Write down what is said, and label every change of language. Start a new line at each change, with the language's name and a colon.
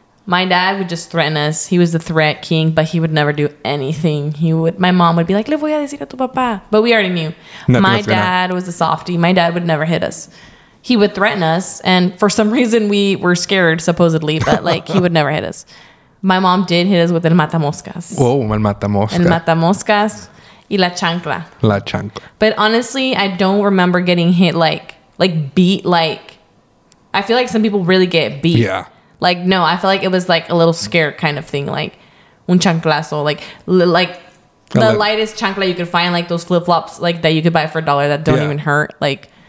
English: My dad would just threaten us. He was the threat king, but he would never do anything. My mom would be like,
Spanish: le voy a decir a tu papá.
English: But we already knew. Nothing my dad gonna. Was a softy. My dad would never hit us. He would threaten us, and for some reason, we were scared, supposedly, but, like, he would never hit us. My mom did hit us with el matamoscas.
Spanish: Oh, el matamoscas. El matamoscas y la chancla. La chancla.
English: But, honestly, I don't remember getting hit, like beat, like, I feel like some people really get beat. Yeah. Like, no, I feel like it was, like, a little scared kind of thing, like, un chanclazo, like the lightest chancla you could find, like, those flip-flops, like, that you could buy for a dollar that don't even hurt, like...